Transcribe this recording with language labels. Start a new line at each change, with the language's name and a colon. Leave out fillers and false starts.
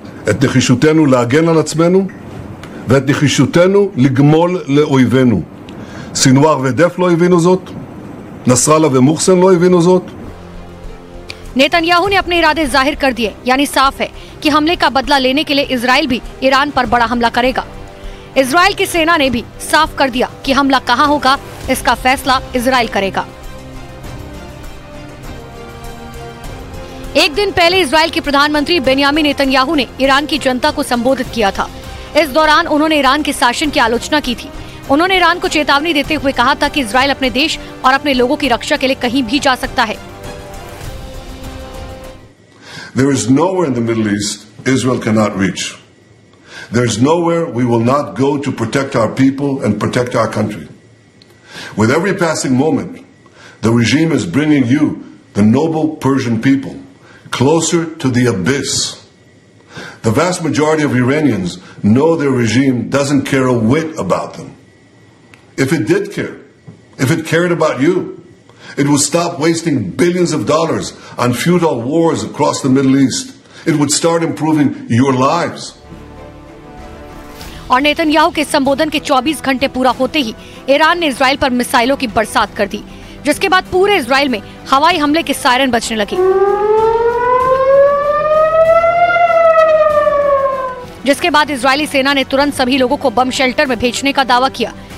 Hebrew: את נחישותנו להגן על עצמנו ואת נחישותנו לגמול לאויבינו. סינואר ודף לא הבינו זאת, נסראללה ומוחסן לא הבינו זאת.
Hindi: נתניהו ने अपने इरादे जाहिर कर दिए, यानी साफ है कि हमले का बदला लेने के लिए इजराइल भी ईरान पर बड़ा हमला करेगा। इजराइल की सेना ने भी साफ कर दिया कि हमला कहां होगा, इसका फैसला इजराइल करेगा। एक दिन पहले इसराइल के प्रधानमंत्री बेन्यामिन नेतन्याहू ने ईरान की जनता को संबोधित किया था। इस दौरान उन्होंने ईरान के शासन की आलोचना की थी। उन्होंने ईरान को चेतावनी देते हुए कहा था कि इसराइल अपने देश और अपने लोगों की रक्षा के लिए कहीं भी जा सकता है।
English: There is nowhere in the Middle East Israel cannot reach. There is nowhere we will not go to protect our people and protect our country. With every passing moment, the regime is bringing you, the noble Persian people, closer to the abyss. The vast majority of Iranians know their regime doesn't care a whit about them. If it did care, if it cared about you, it would stop wasting billions of dollars on futile wars across the Middle East. It would start improving your lives.
Hindi: और Netanyahu के संबोधन के 24 घंटे पूरा होते ही Iran ने Israel पर मिसाइलों की बरसात कर दी, जिसके बाद पूरे इसराइल में हवाई हमले के सायरन बजने लगे, जिसके बाद इजरायली सेना ने तुरंत सभी लोगों को बम शेल्टर में भेजने का दावा किया।